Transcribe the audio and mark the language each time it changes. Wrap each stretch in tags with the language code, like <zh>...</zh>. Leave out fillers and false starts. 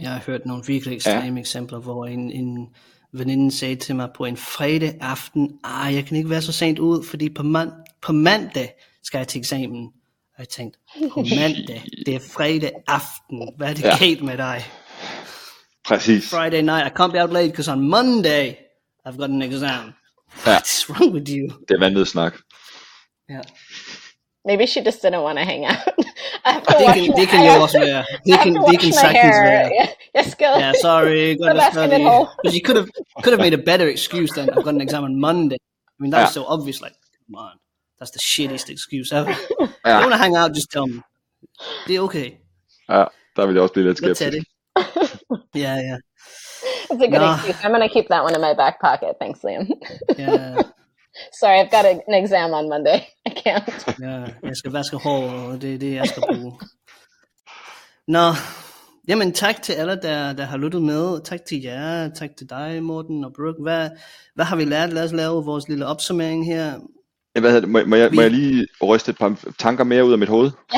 <da>Jeg har hørt nogle virkelig ekstreme eksempler, hvor en veninde sagde til mig på en fredag aften, at jeg kan ikke være så sent ud, fordi på mandag skal jeg til eksamen. Og jeg tænkte, på mandag, det er fredag aften, hvad er det galt med dig? Præcis.</da> <en>Friday night, I can't be out late, because on Monday, I've got an exam. What's wrong with you?</en> <da>Det er vanvittig snak.</da> <en>Yeah. Maybe she just didn't want to hang out.</en> <da>Det kan jo også være. Det kan sagtens være.</da> <en>Yeah, sorry. Because you could have made a better excuse than I've got an exam on Monday. I mean, that's so obvious. Like, come on. That's the shittiest excuse ever. If you want to hang out, just tell me.</en> <da>Det er okay. Ja, der vil jeg også blive lidt skeptisk.</da> <en>Let's say it. Yeah. It's a good excuse. I'm going to keep that one in my back pocket. Thanks, Liam. Yeah. Sorry, I've got an exam on Monday. I can't. Yeah,</en> <da>jeg skal vaske hår, og det jeg skal bruge. Nå, jamen tak til alle, der har lyttet med. Tak til jer, tak til dig, Morten og Brooke. Hvad har vi lært? Lad os lave vores lille opsummering her. Hvad hedder det? Må jeg lige ryste et par tanker mere ud af mit hoved?</da>